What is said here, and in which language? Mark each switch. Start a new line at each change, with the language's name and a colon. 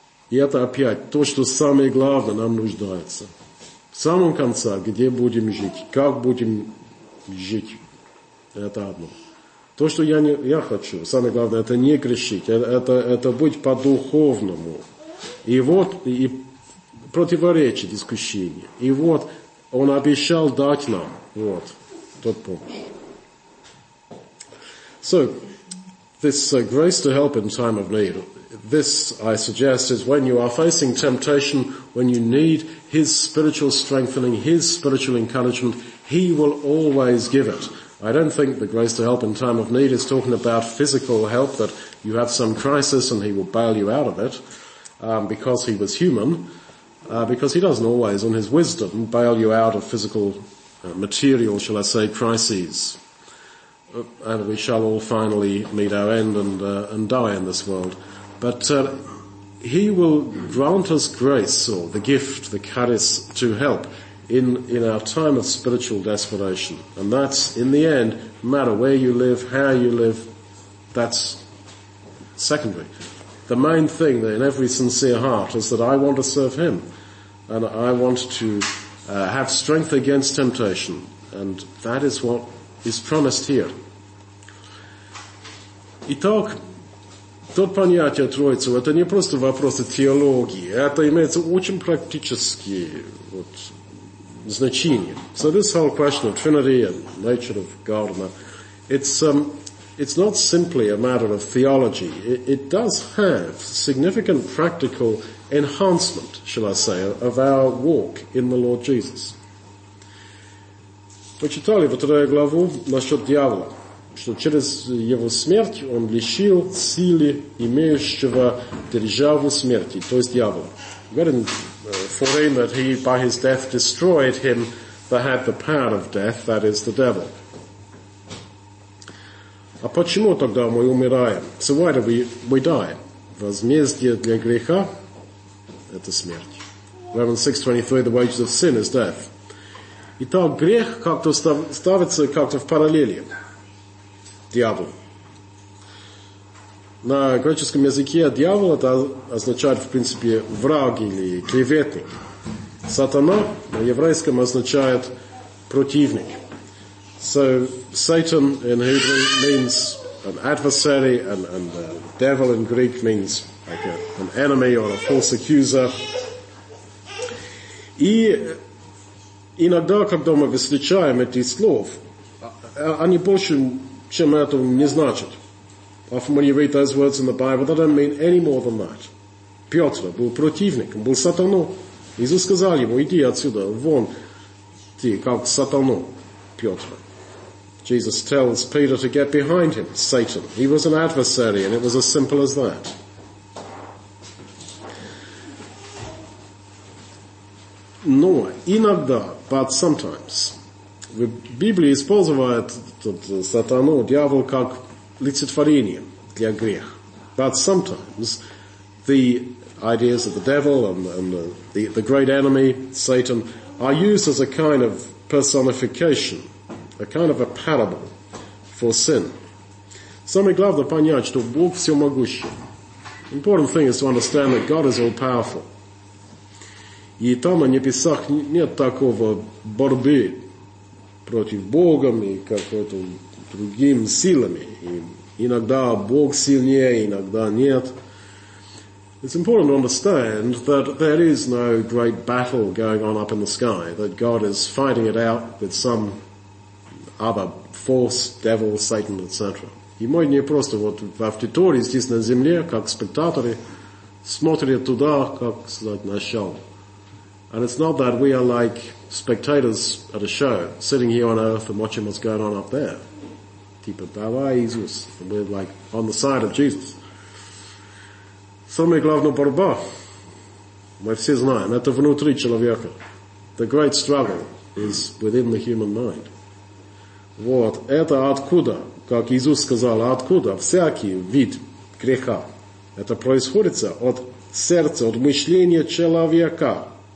Russian: И это опять то, что самое главное нам нуждается. В самом конце, где будем жить, как будем жить, это одно. То, что я хочу, самое главное, это не грешить, это быть по-духовному. И вот, и противоречит искушению. И вот, он обещал дать нам, вот, тот помощь.
English: So, this grace to help in time of need. This, I suggest, is when you are facing temptation, when you need his spiritual strengthening, his spiritual encouragement, he will always give it. I don't think the grace to help in time of need is talking about physical help, that you have some crisis and he will bail you out of it, because he was human, because he doesn't always, in his wisdom, bail you out of physical, material, shall I say, crises. And we shall all finally meet our end and die in this world. But he will grant us grace, or the gift, the charis, to help in our time of spiritual desperation. And that's, in the end, no matter where you live, how you live, that's secondary. The main thing in every sincere heart is that I want to serve him, and I want to have strength against temptation. And that is what is promised here.
Russian: Итак, тот понятие Троицы, это не просто вопросы теологии, это имеется очень практические вот, значения.
English: So this whole question of Trinity and nature of God, it's not simply a matter of theology. It does have significant practical enhancement, shall I say, of our walk in the Lord Jesus.
Russian: Почитали вторую главу насчет дьявола, что через его смерть он лишил силы имеющего державу смерти, то есть дьявола.
English: We read in 4 that he, by his death, destroyed him, that had the power of death, that is the devil.
Russian: А почему тогда мы умираем?
English: So why do we die?
Russian: Возмездие для греха – это смерть.
English: Romans 6:23, the wages of sin is death.
Russian: Итак, грех как-то ставится как-то в параллели. Дьявол. На греческом языке дьявол – это означает, в принципе, враг или клеветник. Сатана на еврейском означает противник.
English: So, Satan in Hebrew means an adversary, and the devil in Greek means like an enemy or a false accuser.
Russian: И иногда, когда мы встречаем эти слова, они больше, чем это, не значат.
English: Often when you read those words in the Bible, they don't mean any more than that.
Russian: Петр был противником, был сатану. Иисус сказал ему, иди отсюда, вон ты, как сатану, Петр.
English: Jesus tells Peter to get behind him, Satan. He was an adversary, and it was as simple as that.
Russian: Но иногда,
English: but sometimes,
Russian: в Библии использует сатану, дьявол, как лицетворение для грех.
English: But sometimes, the ideas of the devil and the great enemy, Satan, are used as a kind of personification, a kind of a parable for sin.
Russian: Самое главное понять, что Бог всемогущий.
English: Important thing is to understand that God is all-powerful.
Russian: И там на небесах нет такого борьбы против Бога и какой-то другим силами. И иногда Бог сильнее, иногда нет.
English: It's important to understand that there is no great battle going on up in the sky, that God is fighting it out with some other force, devil, Satan, etc.
Russian: И мы не просто вот в аудитории здесь на земле, как спектаторы, смотрят туда, как сказать, на шоу.
English: And it's not that we are like spectators at a show, sitting here on earth and watching what's going on up there.
Russian: Типа, давай, Иисус.
English: We're like on the side of Jesus.
Russian: Самая главная борьба, мы все знаем, это внутри человека.
English: The great struggle is within the human mind.
Russian: Вот, это откуда, как Иисус сказал, откуда всякий вид греха. Это происходит от сердца, от мышления человека.